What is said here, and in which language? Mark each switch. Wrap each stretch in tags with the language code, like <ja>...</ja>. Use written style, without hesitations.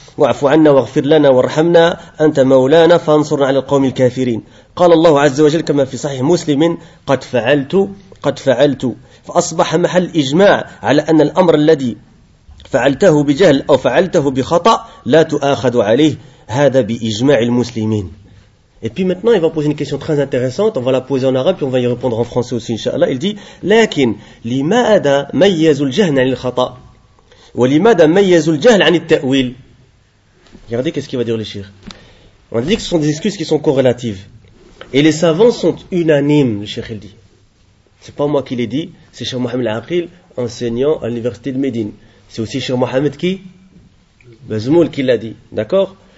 <ar>واعف عنا واغفر لنا وارحمنا أنت مولانا فانصرنا على القوم الكافرين قال الله عز وجل كما في صحيح مسلم قد فعلت فأصبح محل إجماع على أن الأمر الذي فعلته بجهل أو فعلته بخطأ لا تؤاخذ عليه هذا بإجماع المسلمين</ar> <fr>Et puis maintenant, il va poser une question très intéressante. On va la poser en arabe, puis on va y répondre en français aussi, inshallah. Il dit,</fr> <ar>لكن لماذا ميز الجهل عن الخطأ ولماذا ميز الجهل عن التأويل.</ar> <fr>Regardez qu'est-ce qu'il va dire le shir. On dit que ce sont des excuses qui sont corrélatives. Et les savants sont unanimes, le shir, il dit. C'est pas moi qui l'ai dit, c'est Cheikh Mohamed Al-Aqil, enseignant à l'université de Médine. C'est aussi Cheikh Mohamed qui Bazmoul qui l'a dit, d'accord.</fr>